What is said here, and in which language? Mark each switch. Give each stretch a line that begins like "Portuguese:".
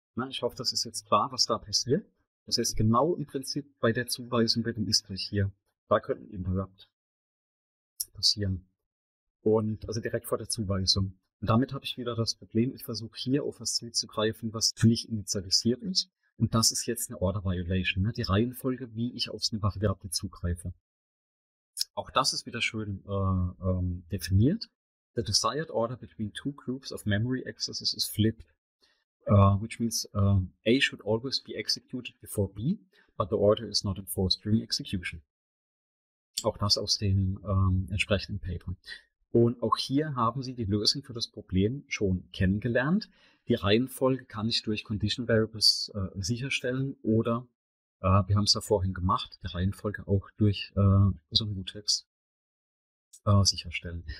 German: Ich hoffe, das ist jetzt klar, was da passiert. Das heißt, genau im Prinzip bei der Zuweisung mit dem Ist-Thread hier, da könnte ein Interrupt passieren. Und also direkt vor der Zuweisung. Und damit habe ich wieder das Problem, ich versuche hier auf was zuzugreifen, was nicht initialisiert ist. Und das ist jetzt eine Order Violation, ne? Die Reihenfolge, wie ich auf eine Variable zugreife. Auch das ist wieder schön definiert.
English: The desired order between two groups of memory accesses is flipped, which means A should always be executed before B, but the order is not enforced during execution.
German: Auch das aus dem entsprechenden Paper. Und auch hier haben sie die Lösung für das Problem schon kennengelernt. Die Reihenfolge kann ich durch Condition Variables sicherstellen oder, wir haben es da vorhin gemacht, die Reihenfolge auch durch so einen Mutex sicherstellen.